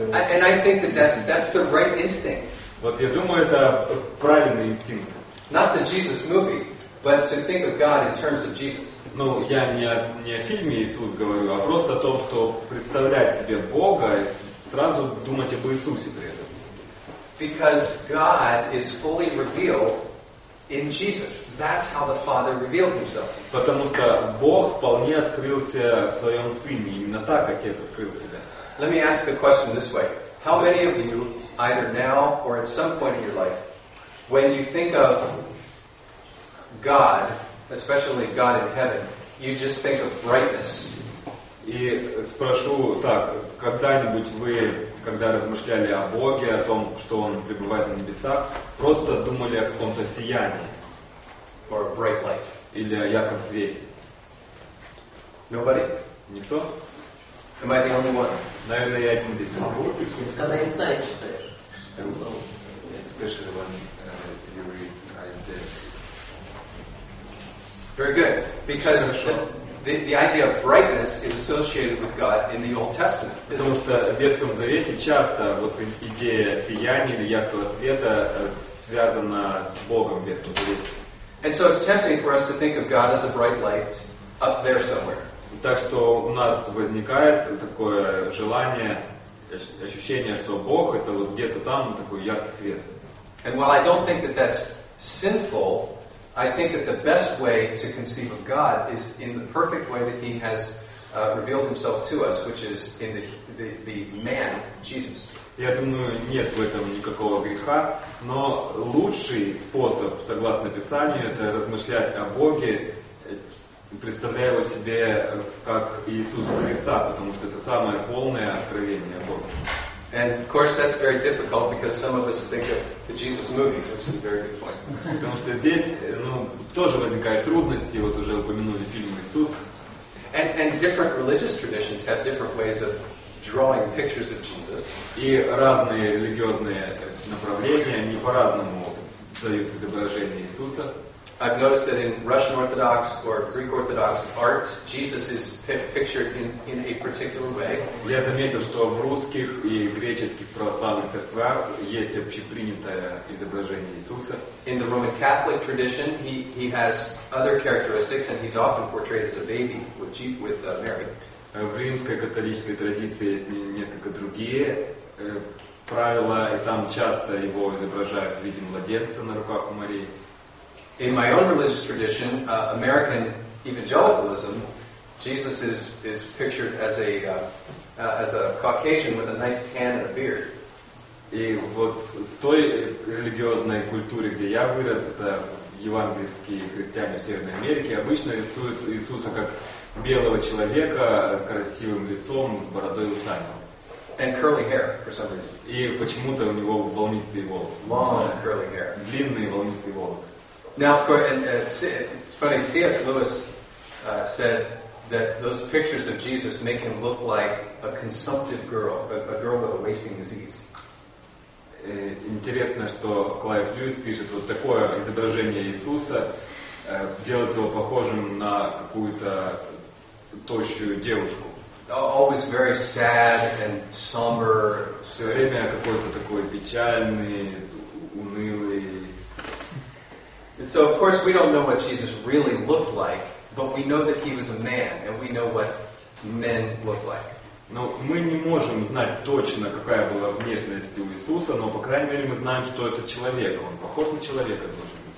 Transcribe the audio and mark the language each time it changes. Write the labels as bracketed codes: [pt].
[en] And I think that's the right instinct. [ru] Вот я думаю, это правильный инстинкт. [en] Not the Jesus movie, but to think of God in terms of Jesus. [ru] Ну, я не о фильме Иисус говорю, а просто о том, что представлять себе Бога и сразу думать об Иисусе при этом. [en] Because God is fully revealed in Jesus. That's how the Father revealed himself. [ru] Потому что Бог вполне открылся в своем Сыне. Именно так Отец открыл себя. [en] Let me ask the question this way. How many of you, either now or at some point in your life, when you think of God, especially God in heaven, you just think of brightness? [ru] И спрошу так, когда-нибудь вы когда размышляли о Боге, о том, что Он пребывает на небесах, просто думали о каком-то сиянии. [en] Or a bright light. [ru] Или о ярком свете. [en] Nobody? [ru] Никто? [en] Am I the only one? [ru] Наверное, я один здесь. Когда Исаия читаешь. [en] Especially when you read Isaiah 6. Very good. Because the idea of brightness is associated with God in the Old Testament. [ru] Потому что в Ветхом Завете часто вот идея сияния или яркого света связана с Богом в Ветхом Завете. [en] And so it's tempting for us to think of God as a bright light up there somewhere. [ru] Так что у нас возникает такое желание, ощущение, что Бог это вот где-то там такой яркий свет. [en] And while I don't think that that's sinful, I think that the best way to conceive of God is in the perfect way that He has revealed Himself to us, which is in the man, Jesus. [ru] Я думаю, нет в этом никакого греха, но лучший способ, согласно Писанию, это размышлять о Боге, представляя его себе как Иисуса Христа, потому что это самое полное откровение о Боге. [en] And of course that's very difficult because some of us think of the Jesus movie, which is a very good point. [ru] Потому что здесь, ну, тоже возникают трудности, вот уже упомянули фильм Иисус. [en] And different religious traditions have different ways of drawing pictures of Jesus. [ru] И разные религиозные направления, они по-разному дают изображение Иисуса. [en] I've noticed that in Russian Orthodox or Greek Orthodox art, Jesus is pictured in a particular way. [ru] Я заметил, что в русских и греческих православных церквах есть общепринятое изображение Иисуса. [en] In the Roman Catholic tradition, he has other characteristics, and he's often portrayed as a baby with Mary. [ru] В римской католической традиции есть несколько другие правила, и там часто его изображают в виде младенца на руках у Марии. [en] In my own religious tradition, American evangelicalism, Jesus is pictured as a Caucasian with a nice tan and a beard. [ru] И вот в той религиозной культуре, где я вырос, это евангельские христиане в Северной Америке, обычно рисуют Иисуса как белого человека, красивым лицом, с бородой и усами. [en] And curly hair, for some reason. [ru] И почему-то у него волнистые волосы. [en] Long, [ru] не знаю, [en] curly hair. [ru] Длинные волнистые волосы. [en] Now, of course, and it's funny, C.S. Lewis said that those pictures of Jesus make him look like a consumptive girl, a girl with a wasting disease. [ru] Интересно, что Клайв Льюис пишет вот такое изображение Иисуса, делает его похожим на какую-то тощую девушку. [en] Always very sad and somber. [ru] Все время какой-то такой печальный, унылый. [en] So of course we don't know what Jesus really looked like, but we know that he was a man, and we know what men look like. [ru] Но мы не можем знать точно, какая была внешность у Иисуса, но по крайней мере мы знаем, что это человек. Он похож на человека, должен быть.